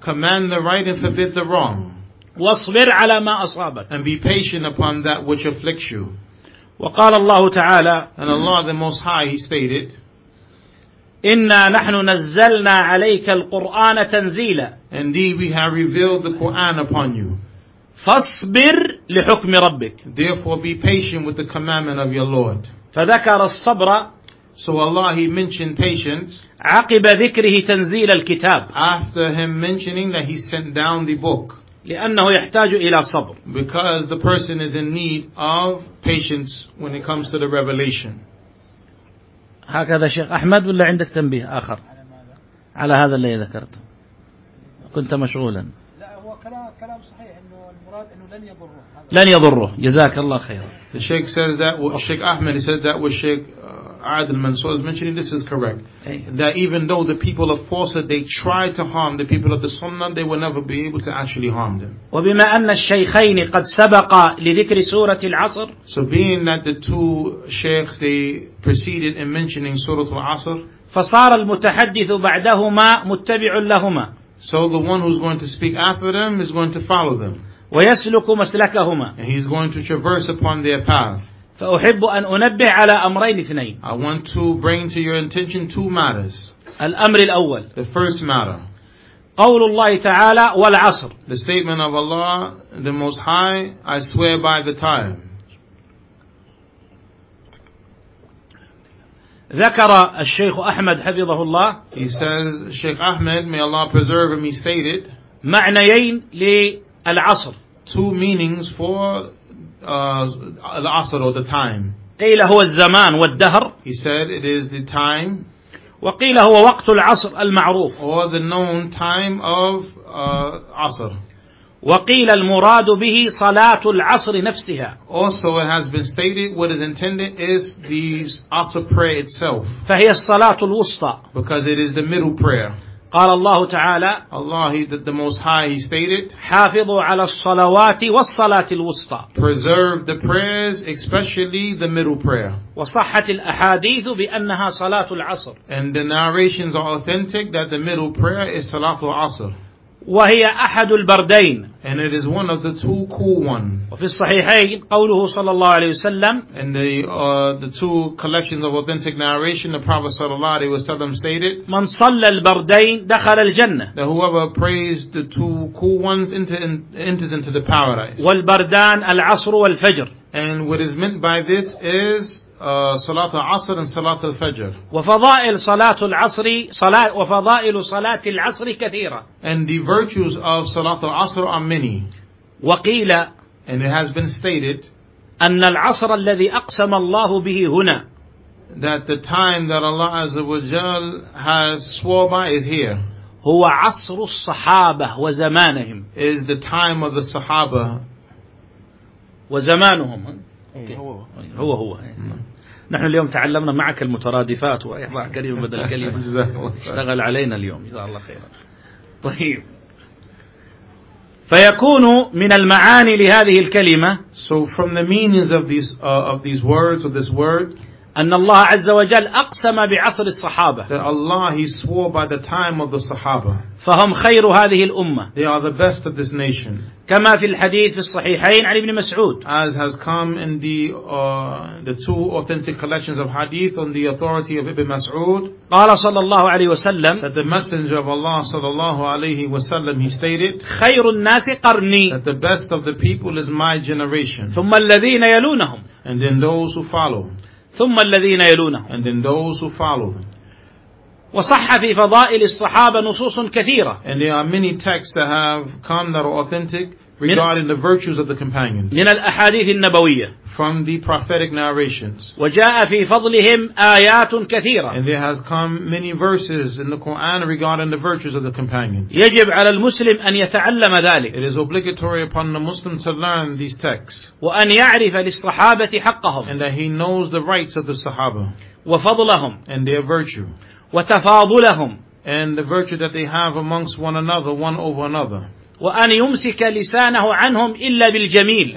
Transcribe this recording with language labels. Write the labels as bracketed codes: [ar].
[en] Command the right and forbid the wrong. [ar] واصبر على ما أصابك. [en] And be patient upon that which afflicts you. [ar] وقال الله تعالى. [en] And Allah the Most High, He stated. [ar] إنا نحن نزلنا عليك القرآن تنزيلا. [en] Indeed, we have revealed the Quran upon you. [ar] فاصبر لحكم ربك. [en] Therefore, be patient with the commandment of your Lord. [ar] فذكر الصبر. [en] So Allah, He mentioned patience. [ar] عقب ذكره تنزيل الكتاب. [en] After Him mentioning that He sent down the book. [ar] لأنه يحتاج إلى صبر. [en] Because the person is in need of patience when it comes to the revelation. [ar] هكذا شيخ أحمد ولا عندك تنبيه آخر على هذا اللي ذكرته؟ كنت مشغولا. لا هو كلام صحيح إنه المراد إنه لن يضره. لن يضره. جزاك الله خير. [en] The Sheikh says that. Sheikh Ahmed says that. What Sheikh Adil Mansour is mentioning, this is correct. That even though the people of falsehood they try to harm the people of the Sunnah, they will never be able to actually harm them. [ar] وبما أن الشيخين قد سبق لذكر سورة العصر. [en] So being that the two sheikhs they preceded in mentioning Surah Al-Asr. [ar] فصار المتحدث بعدهما متبع لهما. [en] So the one who's going to speak after them is going to follow them. [ar] ويسلك مسلكهما. [en] And he's going to traverse upon their path. [ar] فأحب أن أنبه على أمرين اثنين. [en] I want to bring to your intention two matters. [ar] الأمر الأول. [en] The first matter. [ar] قول الله تعالى والعصر. [en] The statement of Allah, the Most High, I swear by the time. [ar] ذكر الشيخ أحمد حفظه الله. [en] He says, Sheikh Ahmed, may Allah preserve him, he stated. [ar] معنيين للعصر. [en] Two meanings for العصر or the time. [ar] قيل هو الزمان والدهر. [en] He said it is the time. [ar] وقيل هو وقت العصر المعروف. [en] Or the known time of عصر. [ar] وقيل المراد به صلاة العصر نفسها. [en] Also it has been stated what is intended is the عصر prayer itself. [ar] فهي الصلاة الوسطى. [en] Because it is the middle prayer. [ar] قال الله تعالى [en] Allah the Most High, He stated [ar] حافظوا على الصلوات والصلاة الوسطى. [en] Preserve the prayers, especially the middle prayer. [ar] وصحة الأحاديث بأنها صلاة العصر. [en] And the narrations are authentic that the middle prayer is صلاة العصر. [ar] وهي أحد البردين. [en] And it is one of the two cool ones. [ar] وفي الصحيحين قوله صلى الله عليه وسلم [en] And the two collections of authentic narration, the Prophet [ar] صلى الله عليه وسلم [en] stated [ar] من صلى البردين دخل الجنة. [en] That whoever prays the two cool ones enters into the paradise. [ar] والبردان العصر والفجر. [en] And what is meant by this is صلاة العصر and صلاة الفجر. [ar] وفضائل صلاة العصر صلاة وفضائل صلاة العصر كثيرة. [en] And the virtues of صلاة العصر are many. [ar] وقيل [en] And it has been stated [ar] أن العصر الذي أقسم الله به هنا [en] That the time that Allah [ar] Azza wa Jal [en] has swore by is here. [ar] هو عصر الصحابة وزمانهم. [en] Is the time of the صحابة [ar] وزمانهم. [en] Okay. [ar] هو هو نحن اليوم تعلمنا معك المترادفات وإضاء كلمة بدل كلمة اشتغل علينا اليوم جزاه الله خيرا طيب فيكون من المعاني لهذه الكلمة [en] So from the meanings of these words or this word [ar] أن الله عز وجل أقسم بعصر الصحابة [en] That Allah He swore by the time of the صحابة [ar] فهم خير هذه الأمة [en] They are the best of this nation [ar] كما في الحديث في الصحيحين علي بن مسعود [en] As has come in the two authentic collections of hadith on the authority of Ibn Mas'ud [ar] قال صلى الله عليه وسلم [en] That the messenger of Allah [ar] صلى الله عليه وسلم [en] he stated [ar] خير الناس قرني [en] That the best of the people is my generation [ar] ثم الذين يلونهم [en] And then those who follow [ar] ثم الذين يلونهم [en] And then those who follow [ar] وصح في فضائل الصحابة نصوص كثيرة. [en] And there are many texts that have come that are authentic regarding the virtues of the companions. [ar] من الأحاديث النبوية. [en] from the prophetic narrations. [ar] وجاء في فضلهم آيات كثيرة. [en] And there has come many verses in the Quran regarding the virtues of the companions. [ar] يجب على المسلم أن يتعلم ذلك. [en] It is obligatory upon the Muslim to learn these texts. [ar] وأن يعرف للصحابة حقهم. [en] And that he knows the rights of the Sahaba. [ar] وفضلهم. [en] And their virtue. [ar] وتفاضلهم. [en] And the virtue that they have amongst one another, one over another. [ar] وأن يمسك لسانه عنهم إلا بالجميل.